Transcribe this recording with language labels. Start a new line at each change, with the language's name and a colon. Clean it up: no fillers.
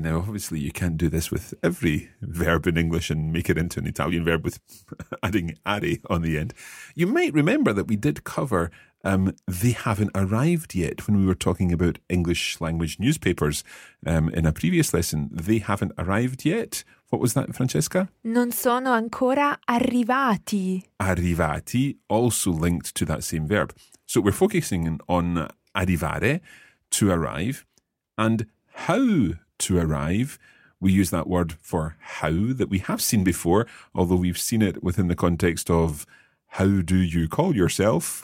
English: Now, obviously, you can't do this with every verb in English and make it into an Italian verb with adding are on the end. You might remember that we did cover they haven't arrived yet when we were talking about English language newspapers in a previous lesson. They haven't arrived yet. What was that, Francesca?
Italian: Non sono ancora arrivati.
English: Arrivati, also linked to that same verb. So we're focusing on arrivare, to arrive. And how to arrive, we use that word for how that we have seen before, although we've seen it within the context of how do you call yourself.